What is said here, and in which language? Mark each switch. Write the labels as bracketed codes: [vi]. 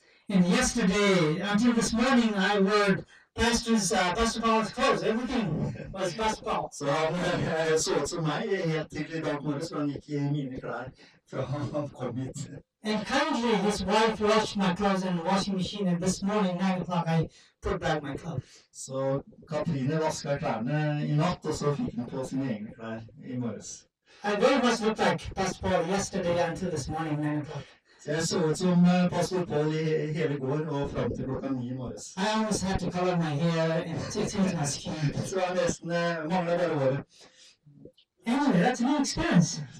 [en] And yesterday, until this morning, I wore pastor's basketball clothes. Everything was basketball. [no] Så han så ut som meg helt til I dag morges, han gikk I mine klær fra han kom hit. [en] And kindly, his wife washed my clothes in the washing machine, and this morning, 9 o'clock, I put back my clothes. [no] Så Katrine vasket klærne I natt, og så fikk hun på sine egne klær I morges. [en] I very much looked like basketball yesterday until this morning, 9 o'clock. [no] Så jeg så ut som Pastor Paul I hele går og frem til klokka 9 I morges. [en] I almost had to color my hair and change my skin. [no] Så jeg nesten manglet bare håret. [en] Anyway, that's a new experience.